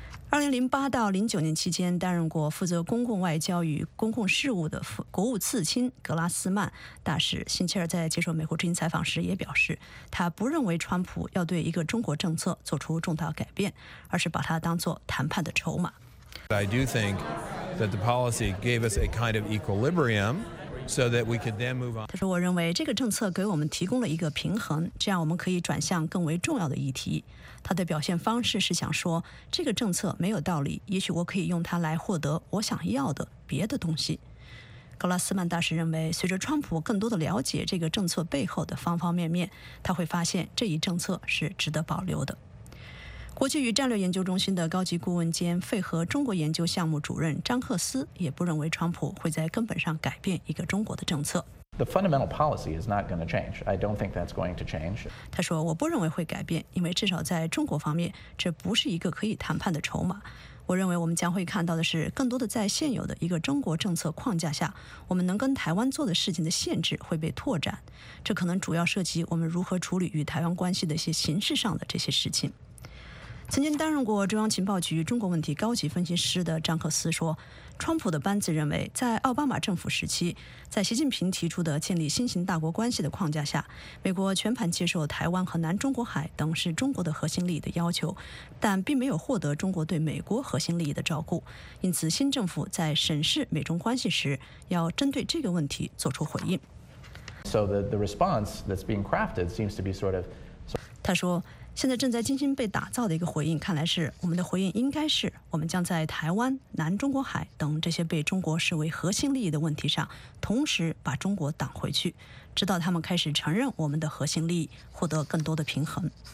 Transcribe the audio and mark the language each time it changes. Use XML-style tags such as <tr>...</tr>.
<zh>2008到2009年期间，担任过负责公共外交与公共事务的国务次卿格拉斯曼大使，辛切尔在接受美国之音采访时也表示，他不认为川普要对一个中国政策做出重大改变，而是把它当作谈判的筹码。</zh> <en>I do think that the policy gave us a kind of equilibrium. So that we could then move on.</en> <zh>他说，我认为这个政策给我们提供了一个平衡，这样我们可以转向更为重要的议题。他的表现方式是想说，这个政策没有道理，也许我可以用它来获得我想要的别的东西。格拉斯曼大使认为，随着川普更多的了解这个政策背后的方方面面，他会发现这一政策是值得保留的。国际与战略研究中心的高级顾问兼费和中国研究项目主任张克斯也不认为川普会在根本上改变一个中国的政策。</zh> <en>The fundamental policy is not going to change. I don't think that's going to change.</en> <zh>他说，我不认为会改变，因为至少在中国方面，这不是一个可以谈判的筹码。我认为我们将会看到的是，更多的在现有的一个中国政策框架下，我们能跟台湾做的事情的限制会被拓展。这可能主要涉及我们如何处理与台湾关系的一些形式上的这些事情。曾经担任过中央情报局中国问题高级分析师的张克斯说，川普的班子认为，在奥巴马政府时期，在习近平提出的建立新型大国关系的框架下，美国全盘接受台湾和南中国海等是中国的核心利益的要求，但并没有获得中国对美国核心利益的照顾。因此，新政府在审视美中关系时，要针对这个问题做出回应。</zh> <en>So the response that's being crafted seems to be sort of.</en> <zh>他说，现在正在精心被打造的一个回应，看来是我们的回应应该是，我们将在台湾、南中国海等这些被中国视为核心利益的问题上，同时把中国挡回去，直到他们开始承认我们的核心利益，获得更多的平衡。</zh>